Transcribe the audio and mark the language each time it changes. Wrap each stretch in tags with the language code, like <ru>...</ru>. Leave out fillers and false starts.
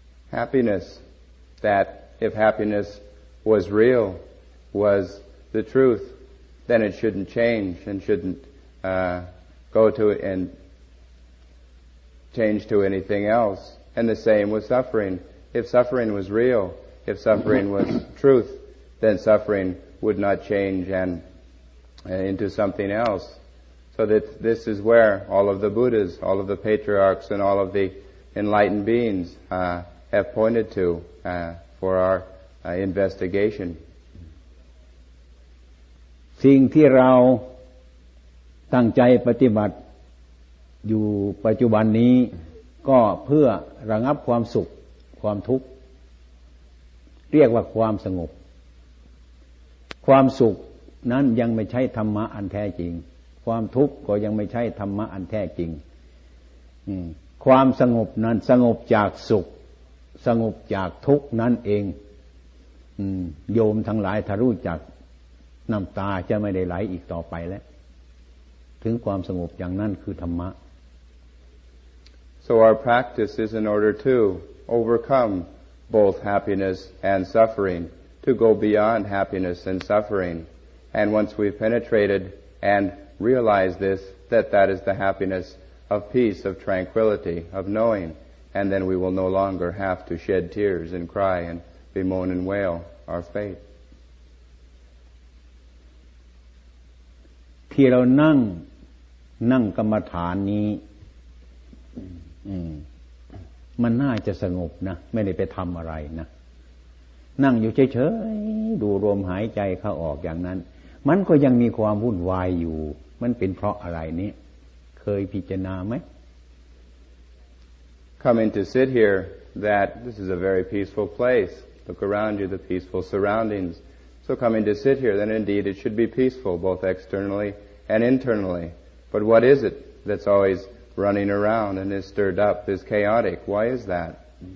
<en>Happiness that if happiness was real was the truth then it shouldn't change and shouldn't go to it and change to anything else and the same with suffering if suffering was real if suffering was truth then sufferingwould not change and into something else. So that this is where all of the Buddhas, all of the patriarchs, and all of the enlightened beings have pointed to for our investigation.</en> <th>สิ่งที่เราตั้งใจปฏิบัติอยู่ปัจจุบันนี้ก็เพื่อระงับความสุขความทุกข์เรียกว่าความสงบ ความสุขนั้นยังไม่ใช่ธรรมะอันแท้จริงความทุกข์ก็ยังไม่ใช่ธรรมะอันแท้จริงความสงบนั้นสงบจากสุขสงบจากทุกข์นั้นเองโยมทั้งหลายถ้ารู้จักน้ำตาจะไม่ได้ไหลอีกต่อไปแล้วถึงความสงบอย่างนั้นคือธรรมะ</th> <en>So our practice is in order to overcome both happiness and sufferingTo go beyond happiness and suffering, and once we've penetrated and realized this, that that is the happiness of peace, of tranquility, of knowing, and then we will no longer have to shed tears and cry and bemoan and wail our fate.</en> <th>ที่เรานั่งนั่งกรรมฐานนี้มันน่าจะสงบนะไม่ได้ไปทำอะไรนะนั่งอยู่เฉยๆดูลมหายใจเข้าออกอย่างนั้นมันก็ยังมีความวุ่นวายอยู่มันเป็นเพราะอะไรนี่เคยพิจารณาไหม</th> <en>Coming to sit here that this is a very peaceful place look around you the peaceful surroundings so coming to sit here then indeed it should be peaceful both externally and internally but what is it that's always running around and is stirred up is chaotic why is that</en>